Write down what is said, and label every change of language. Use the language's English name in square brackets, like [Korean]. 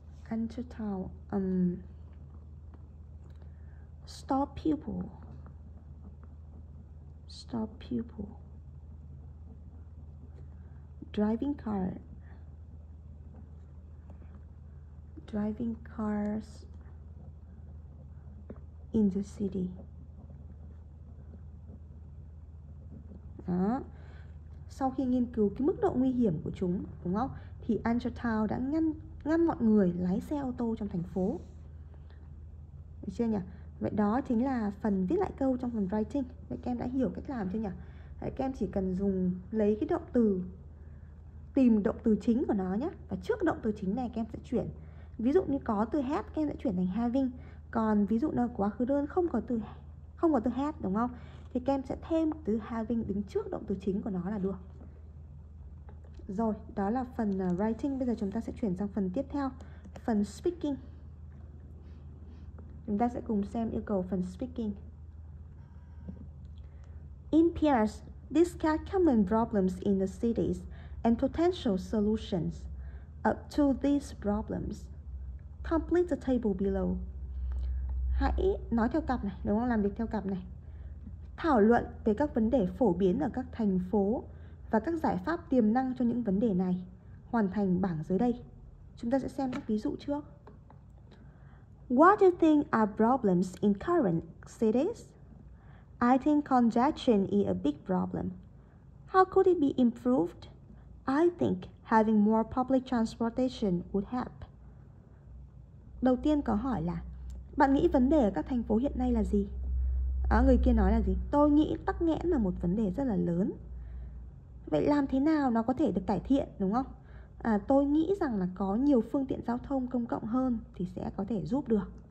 [English] Antartal stop people driving cars in the city. [Vietnamese] Đó. Sau khi nghiên cứu cái mức độ nguy hiểm của chúng, đúng không? Thì Antartal đã ngăn mọi người lái xe ô tô trong thành phố. Được chưa nhỉ? Vậy đó chính là phần viết lại câu trong phần writing. Vậy các em đã hiểu cách làm chưa nhỉ? Vậy các em chỉ cần lấy cái động từ, tìm động từ chính của nó nhé. Và trước động từ chính này các em sẽ chuyển. Ví dụ như có từ have, các em sẽ chuyển thành having. Còn ví dụ nào quá khứ đơn không có từ have, đúng không? Thì các em sẽ thêm từ having đứng trước động từ chính của nó là được. Rồi, đó là phần writing. Bây giờ chúng ta sẽ chuyển sang phần tiếp theo, phần speaking. Chúng ta sẽ cùng xem yêu cầu phần speaking. [English] In pairs, discuss common problems in the cities and potential solutions up to these problems. Complete the table below. [Vietnamese] Hãy nói theo cặp này, đúng không? Làm việc theo cặp này. Thảo luận về các vấn đề phổ biến ở các thành phố và các giải pháp tiềm năng cho những vấn đề này. Hoàn thành bảng dưới đây. Chúng ta sẽ xem các ví dụ trước. [English] What do you think are problems in current cities? I think congestion is a big problem. How could it be improved? I think having more public transportation would help. [Vietnamese] Đầu tiên có hỏi là bạn nghĩ vấn đề ở các thành phố hiện nay là gì? Người kia nói là gì? Tôi nghĩ tắc nghẽn là một vấn đề rất là lớn. Vậy làm thế nào nó có thể được cải thiện, đúng không? Tôi nghĩ rằng là có nhiều phương tiện giao thông công cộng hơn thì sẽ có thể giúp được.